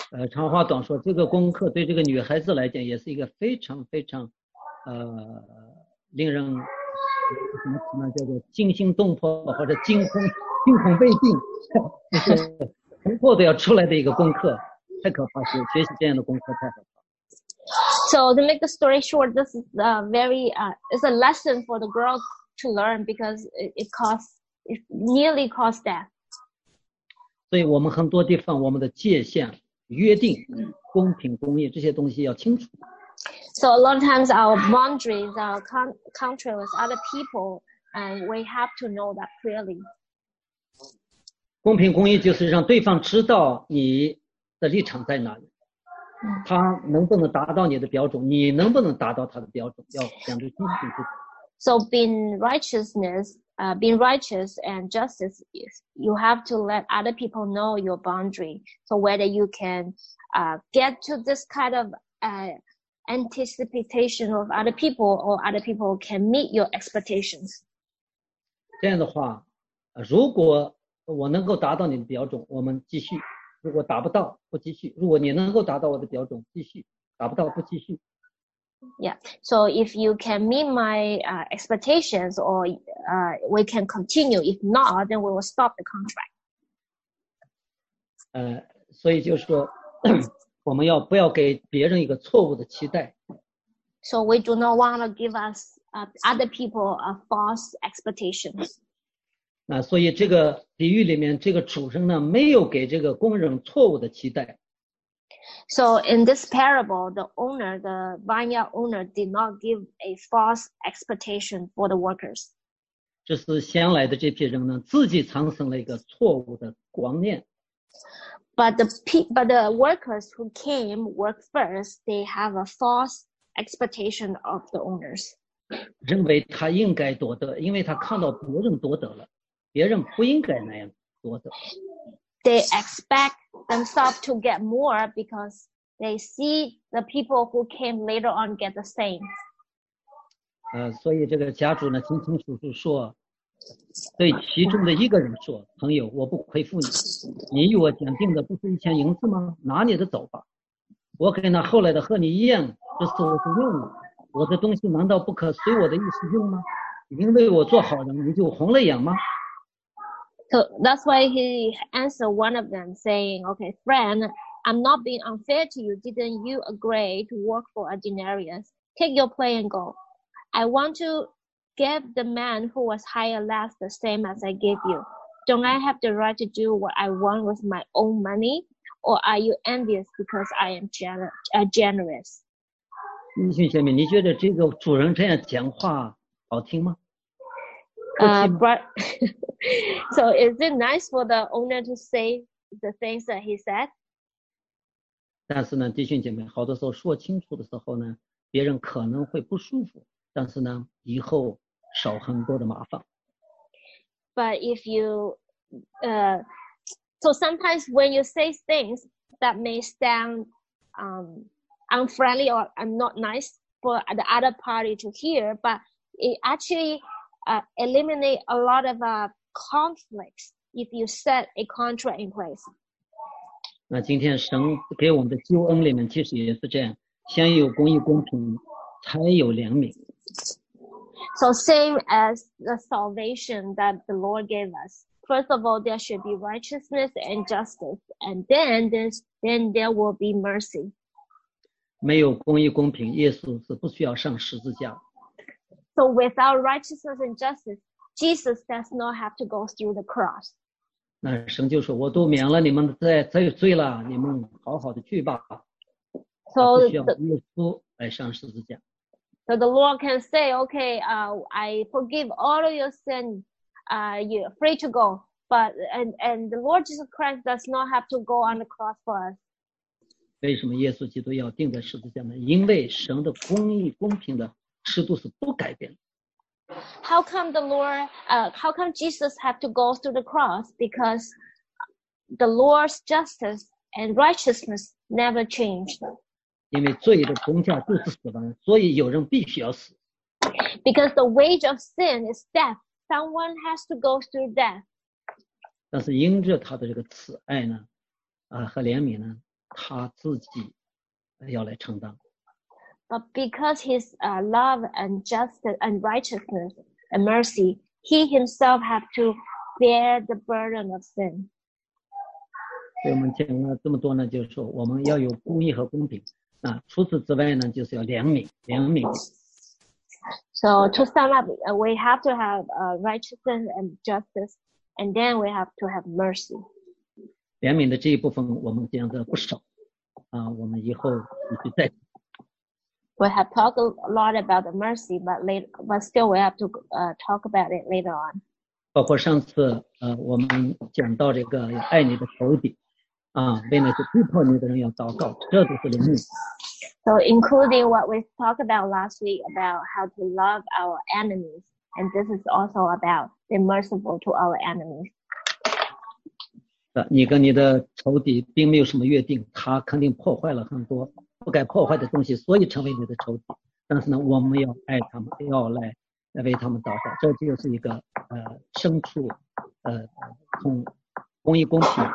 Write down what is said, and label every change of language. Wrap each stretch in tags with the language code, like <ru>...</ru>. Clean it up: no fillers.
<zh>长话短说，这个功课对这个女孩子来讲也是一个非常非常令人什么什么叫做惊心动魄或者惊恐未定，就是突破都要出来的一个功课，太可怕了！学习这样的功课太可怕。</zh> <en>So to make the story short, this is a very it's a lesson for the girl. To learn because it nearly cost death.</en> <zh>所以我们很多地方我们的界限约定公平公义这些东西要清楚。</zh> <en>So a lot of times our boundaries are contrary with other people and we have to know that clearly.</en> <zh>公平公义就是让对方知道你的立场在哪里，他能不能达到你的标准，你能不能达到他的标准，要讲究清楚。</zh> <en>So being righteous and justice is you have to let other people know your boundary. So whether you can get to this kind of anticipation of other people or other people can meet your expectations.</en> <zh>这样的话，如果我能够达到你的标准，我们继续；如果达不到，不继续；如果你能够达到我的标准，继续；达不到，不继续。</zh> <en>Yeah, so if you can meet my expectations or we can continue, if not, then we will stop the contract.</en> <zh>所以就是说我们要不要给别人一个错误的期待。</zh> <en>So we do not want to give us other people a false expectations.</en> <zh>那所以这个比喻里面这个主人呢没有给这个工人错误的期待。</zh> <en>So in this parable, the owner, the vineyard owner, did not give a false expectation for the workers.</en> <zh>这是先来的这批人呢，自己产生了一个错误的观念。</zh> <en>But the workers who came work first, they have a false expectation of the owners.</en> <zh>认为他应该夺得，因为他看到别人夺得了，别人不应该那样夺得。</zh> <en>They expect themselves to get more because they see the people who came later on get the same.</en> <zh>所以这个家主呢清清楚楚说，对其中的一个人说，朋友，我不亏负你，你与我讲定的不是一千银子吗？拿你的走吧，我跟那后来的和你一样，这是我的任务，我的东西难道不可随我的意思用吗？因为我做好人，你就红了眼吗？</zh> <en>So that's why he answered one of them saying, okay, friend, I'm not being unfair to you. Didn't you agree to work for a denarius? Take your play and go. I want to gave the man who was hired last the same as I gave you? Don't I have the right to do what I want with my own money? Or are you envious because I am generous?</en> <zh>你请下面，你觉得这个主人这样讲话好听吗？</zh> <en>But so is it nice for the owner to say the things that he said?</en> <zh>但是呢，弟兄姐妹，好多时候说清楚的时候呢，别人可能会不舒服，但是呢，以后少很多的麻烦。</zh> <en>But if you, so sometimes when you say things that may sound, unfriendly or not nice for the other party to hear, but it actually, eliminate a lot of, conflicts if you set a contract in place.</en> <zh>那今天神给我们的救恩里面其实也是这样，先有公义公平，才有怜悯。</zh> <en>So same as the salvation that the Lord gave us. First of all, there should be righteousness and justice, and then there will be mercy.</en> <zh>没有公义公平，耶稣是不需要上十字架。</zh> <en>So without righteousness and justice, Jesus does not have to go through the cross.</en> <zh>那神就说，我都免了你们的罪了，你们好好的去吧。</zh> <en>So</en> <zh>不需要耶稣来上十字架。</zh> <en>So the Lord can say, okay, I forgive all of your sins, you're free to go. But, and the Lord Jesus Christ does not have to go on the cross for us.</en> <zh>为什么耶稣基督要钉在十字架呢？因为神的公义公平的尺度是不改变的。</zh> <en>How come the Lord, how come Jesus had to go through the cross? Because the Lord's justice and righteousness never changed.</en> <zh>因为罪的工价就是死亡，所以有人必须要死。</zh> <en>Because the wage of sin is death. Someone has to go through death.</en> <zh>但是因着他的这个慈爱呢，和怜悯呢，他自己要来承担。</zh> <en>But because his love and justice and righteousness and mercy, he himself had to bear the burden of sin.</en> <zh>所以我们讲了这么多呢，就是说我们要有公义和公平。那除此之外呢，就是要怜悯。</zh> <en>So to sum up, we have to have righteousness and justice, and then we have to have mercy.</en> <zh>怜悯的这一部分我们讲的不少，我们以后继续再。</zh> <en>We have talked a lot about the mercy, but still we have to talk about it later on.</en> <zh>包括上次我们讲到这个要爱你的仇敌。为那些逼迫你的人要祷告，这就是怜悯。</zh> <en>So including what we talked about last week about how to love our enemies, and this is also about being merciful to our enemies.</en> <zh>你跟你的仇敌并没有什么约定，他肯定破坏了很多不该破坏的东西，所以成为你的仇敌。但是呢，我们要爱他们，要来为他们祷告，这就是一个深处从公义公平。</zh>